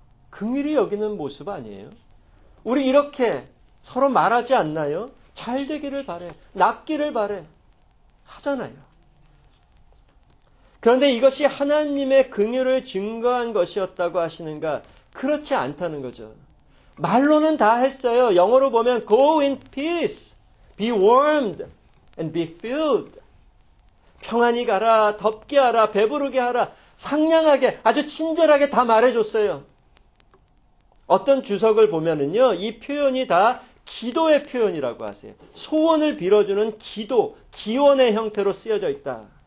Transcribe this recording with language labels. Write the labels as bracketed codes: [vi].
[ko] 긍휼히 여기는 모습 아니에요? 우리 이렇게 서로 말하지 않나요? 잘 되기를 바래, 낫기를 바래 하잖아요. 그런데 이것이 하나님의 긍휼을 증거한 것이었다고 하시는가? 그렇지 않다는 거죠. 말로는 다 했어요. 영어로 보면 [en] Go in peace, be warmed and be filled. [ko] 평안히 가라, 덥게 하라, 배부르게 하라, 상냥하게 아주 친절하게 다 말해줬어요. 어떤 주석을 보면은요, 이 표현이 다 기도의 표현이라고 하세요. 소원을 빌어주는 기도, 기원의 형태로 쓰여져 있다.